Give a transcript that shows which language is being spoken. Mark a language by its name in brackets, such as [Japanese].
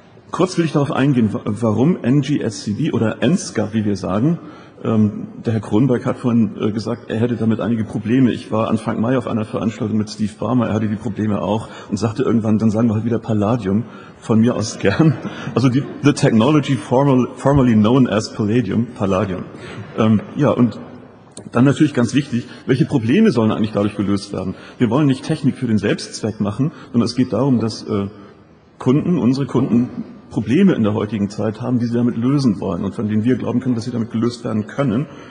[German] Kurz will ich darauf eingehen, warum NGSCV oder NSCA, wie wir sagen. Der Herr Kronberg hat vorhin gesagt, er hätte damit einige Probleme. Ich war Anfang Mai auf einer Veranstaltung mit Steve Ballmer, er hatte die Probleme auch und sagte irgendwann, dann sagen wir halt wieder Palladium, von mir aus gern. [English] Also the technology formerly known as Palladium, Palladium. [German] Ja, und dann natürlich ganz wichtig, welche Probleme sollen eigentlich dadurch gelöst werden? Wir wollen nicht Technik für den Selbstzweck machen, sondern es geht darum, dass unsere Kunden, Probleme in der heutigen Zeit haben, die sie damit lösen wollen und von denen wir glauben können, dass sie damit gelöst werden können.